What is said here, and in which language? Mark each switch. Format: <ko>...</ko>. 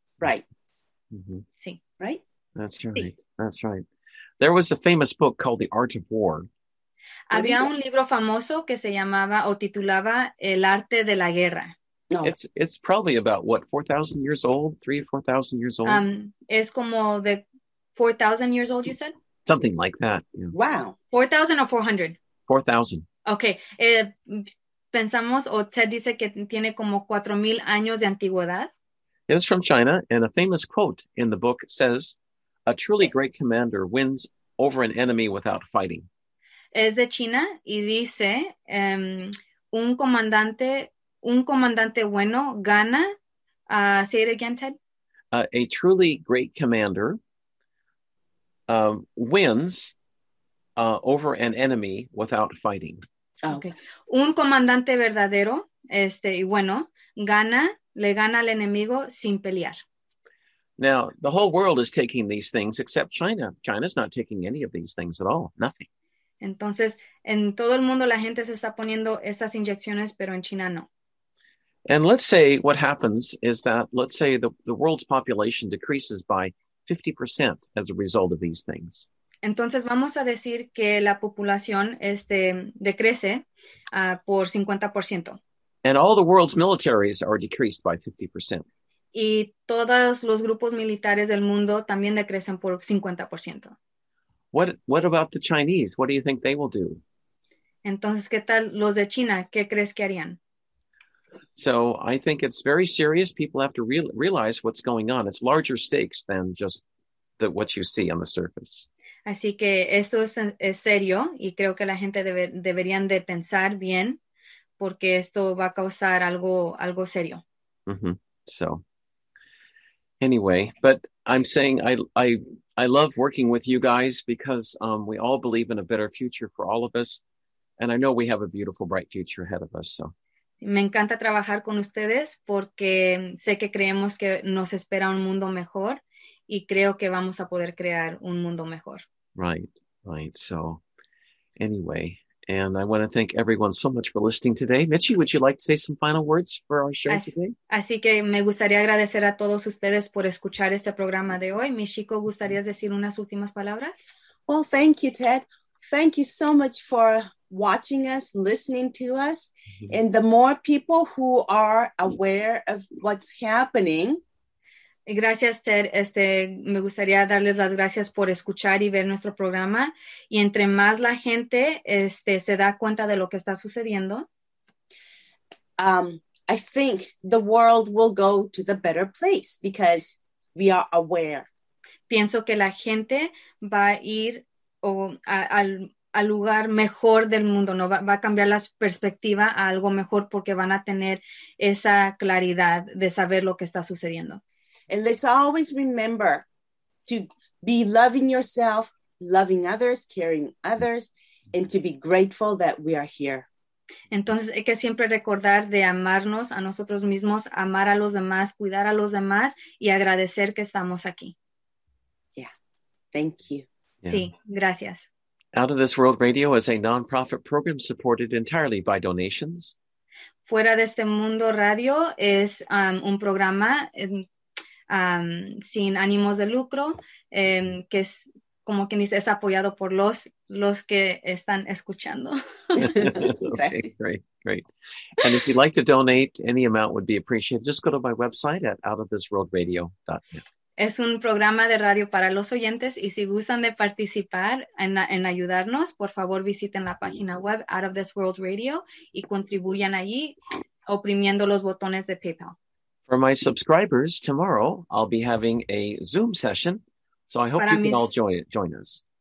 <en>Right.</en> <es>Sí.</es> <en>Right? That's right. That's right. There was a famous book called The Art of War.</en> <es>Había un libro famoso que se llamaba o titulaba El arte de la guerra.</es> <en>It's probably about what, 4,000 years old, 3,000 or 4,000 years old.</en> <es>Es como de 4,000</es> <en>years old, you said? Something like that. Yeah. Wow. 4,000 or 400? 4,000. Okay.</en> <es>Pensamos, o Ted dice que tiene como 4,000 años de antigüedad.</es> <en>It's from China, and a famous quote in the book says, "A truly great commander wins over an enemy without fighting."</en> <es>Es de China, y dice, un comandante bueno gana,</es> <en>say it again,</en> <es>Ted.</es> <en>A truly great commander wins over an enemy without fighting.</en> <es>Okay. Un comandante verdadero, y bueno, le gana al enemigo sin pelear.</es> <en>Now, the whole world is taking these things except China. China's not taking any of these things at all. Nothing.</en> <es>Entonces, en todo el mundo la gente se está poniendo estas inyecciones, pero en China no.</es> <en>And let's say what happens is that, let's say the world's population decreases by 50% as a result of these things.</en> <es>Entonces vamos a decir que la población decrece por 50%.</es> <en>And all the world's militaries are decreased by 50%.</en> <es>Y todos los grupos militares del mundo también decrecen por 50%.</es> <en>What about the Chinese? What do you think they will do?</en> <es>Entonces, ¿qué tal los de China? ¿Qué crees que harían?</es> <en>So I think it's very serious. People have to realize what's going on. It's larger stakes than just what you see on the surface.</en> <es>Así que esto es serio, y creo que la gente deberían de pensar bien, porque esto va a causar algo serio. Mm-hmm.</es> <en>So anyway, but I'm saying I love working with you guys because we all believe in a better future for all of us, and I know we have a beautiful, bright future ahead of us. So.</en> <es>Me encanta trabajar con ustedes porque sé que creemos que nos espera un mundo mejor, y creo que vamos a poder crear un mundo mejor.</es> <en>Right. So anyway, and I want to thank everyone so much for listening today. Mitchie, would you like to say some final words for our show today?</en> <es>Así que me gustaría agradecer a todos ustedes por escuchar este programa de hoy. Michiko, ¿gustarías decir unas últimas palabras?</es> <en>Well, thank you, Ted. Thank you so much for watching us, listening to us. And the more people who are aware of what's happening.</en> <es>Gracias, Ted. Me gustaría darles las gracias por escuchar y ver nuestro programa. Y entre más la gente se da cuenta de lo que está sucediendo,</es> <en>I think the world will go to the better place because we are aware.</en> <es>Pienso que la gente va a ir al lugar mejor del mundo, ¿no? Va a cambiar la perspectiva a algo mejor porque van a tener esa claridad de saber lo que está sucediendo.</es> <en>And let's always remember to be loving yourself, loving others, caring others, and to be grateful that we are here.</en> <es>Entonces, hay que siempre recordar de amarnos a nosotros mismos, amar a los demás, cuidar a los demás, y agradecer que estamos aquí.</es> <en>Yeah. Thank you. Yeah.</en> <es>Sí, gracias.</es> <en>Out of This World Radio is a non-profit program supported entirely by donations.</en> <es>Fuera de Este Mundo Radio es un programa sin ánimos de lucro, que es, como quien dice, es apoyado por los que están escuchando.</es> <en>Okay, great. And if you'd like to donate, any amount would be appreciated. Just go to my website at outofthisworldradio.net.</en> <es>Es un programa de radio para los oyentes, y si gustan de participar en ayudarnos, por favor visiten la página web Out of This World Radio y contribuyan allí oprimiendo los botones de PayPal.</es> <en>For my subscribers, tomorrow I'll be having a Zoom session, so I hope para you can all join us.</en>